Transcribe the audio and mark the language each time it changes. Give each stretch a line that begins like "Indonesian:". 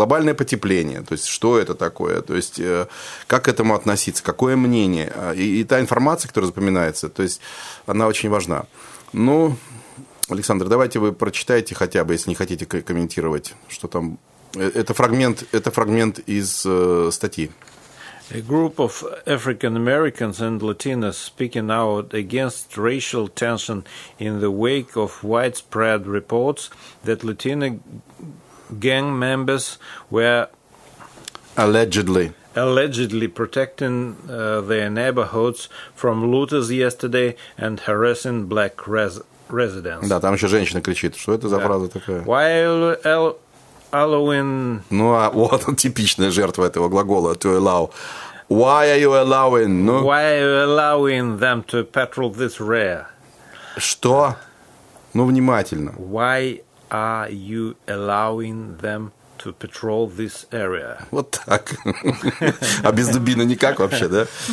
Russian: Глобальное потепление, то есть что это такое, то есть как к этому относиться, какое мнение. И та информация, которая запоминается, то есть она очень важна. Ну, Александр, давайте вы прочитайте хотя бы, если не хотите комментировать, что там. Это фрагмент из статьи.
English: A group of African Americans and Latinos speaking out against racial tension in the wake of widespread reports that Latino gang members were allegedly protecting their neighborhoods from looters yesterday and harassing black residents.
Russian: Да, там еще женщина кричит. Что это за фраза такая?
English: While allowing...
Russian: Ну, а вот он, типичная жертва этого глагола,
English: to allow... Why are you allowing? No? Why are you allowing them to patrol this rear?
Russian: Что? Ну, внимательно.
English: Why are you allowing them to patrol this area?
Russian: Вот так. А без дубины никак вообще, да?